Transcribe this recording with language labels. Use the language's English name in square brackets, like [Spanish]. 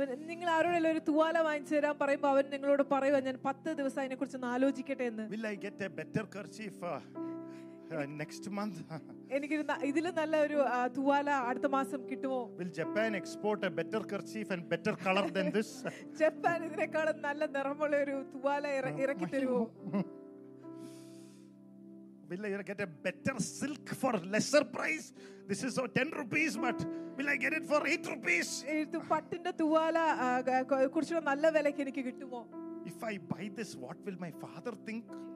[Malayalam] നിങ്ങൾ ആരോടെ ഒരു തുവാല വാങ്ങി തരാൻ പറയുമ്പോൾ അവൻ നിങ്ങളോട് പറയുവാ, ഞാൻ 10 ദിവസം അതിനെ കുറിച്ച് ആലോചിക്കട്ടെ എന്ന്. [English] Will I get a better kerchief next month? [Malayalam] എനിക്ക് ഇതിലും നല്ല ഒരു തുവാല അടുത്ത മാസം കിട്ടുമോ? [English] Will Japan export a better kerchief and better color than this? [Malayalam] Japan ഇതിനേക്കാളും നല്ല നിറമുള്ള ഒരു തുവാല ഇറക്കി തരുമോ? [English] will I get a better silk for lesser price? This is 10 rupees, but will I get it for 8 rupees? [Malayalam] ഇത് പട്ടിന്റെ തുവാല കുറച്ച് നല്ല വിലയ്ക്ക് എനിക്ക് കിട്ടുമോ? [English] If I buy this, what will my father think?